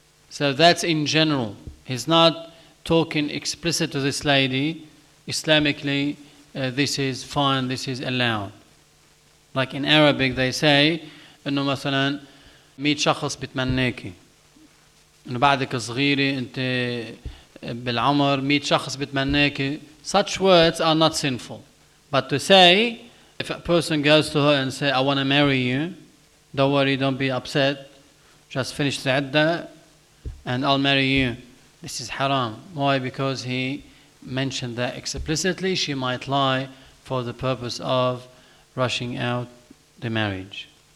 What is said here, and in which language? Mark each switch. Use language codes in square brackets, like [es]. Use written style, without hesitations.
[en] So that's in general. He's not talking explicit to this lady. Islamically, this is fine, this is allowed. Like in Arabic, they say, [ar] إنه مثلا ميت شخص بتمنيكي. إنه بعدك صغيرة أنت بالعمر ميت شخص بتمنيكي. [en] Such words are not sinful. But to say, if a person goes to her and say, I want to marry you, don't worry, don't be upset, just finish the iddah and I'll marry you, this is haram. Why? Because he mentioned that explicitly she might lie for the purpose of rushing out the marriage.